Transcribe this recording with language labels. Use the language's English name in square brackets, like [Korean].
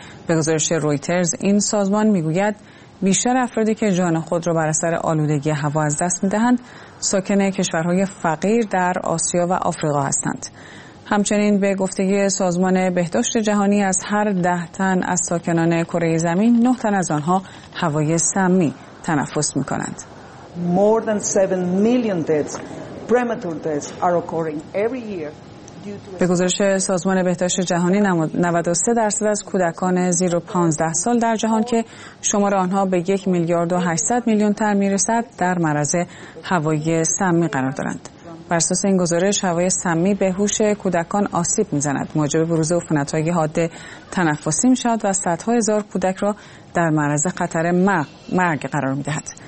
[Persian] به گزارش رویترز این سازمان می‌گوید بیشتر افرادی که جان خود را بر اثر آلودگی هوا از دست می‌دهند ساکن کشورهای فقیر در آسیا و آفریقا هستند. همچنین به گفته سازمان بهداشت جهانی از هر 10 تن از ساکنان کره زمین 9 تن از آنها هوای سمی تنفس می‌کنند. [English] More than 7 million deaths, premature deaths are occurring every year. [Persian] به گزارش سازمان بهداشت جهانی 93% از کودکان زیر 15 سال در جهان که شمار آنها به 1 میلیارد و 800 میلیون تن میرسد در معرض هوای سمی قرار دارند. بر اساس این گزارش هوای سمی به هوش کودکان آسیب میزند، موجب بروز عفونت‌های حاد تنفسی میشود و صدها هزار کودک را در معرض خطر مرگ قرار میدهد.